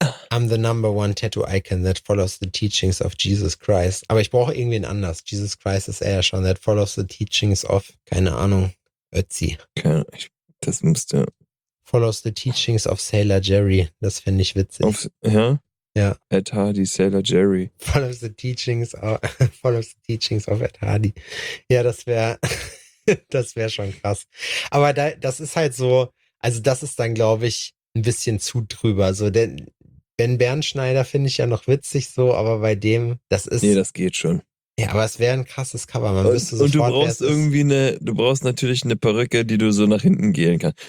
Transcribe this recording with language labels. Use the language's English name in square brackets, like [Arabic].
[English] I'm the number one tattoo icon that follows the teachings of Jesus Christ. [German] Aber ich brauche irgendwen anders. Jesus Christ ist er ja schon. [English] That follows the teachings of, [German] keine Ahnung, [English] Ötzi. [German] Das müsste. [English] Follows the teachings of Sailor Jerry. [German] Das fände ich witzig. Ja. Ed Hardy, Sailor Jerry. [English] Follows the teachings of Ed Hardy. [German] Ja, das wäre schon krass. Aber da, das ist halt so, also das ist dann, glaube ich, ein bisschen zu drüber. So, denn Ben Bernschneider finde ich ja noch witzig so, aber bei dem, das ist. Nee, das geht schon. Ja, aber es wäre ein krasses Cover. Man müsste sofort, und du brauchst natürlich eine Perücke, die du so nach hinten gehen kannst.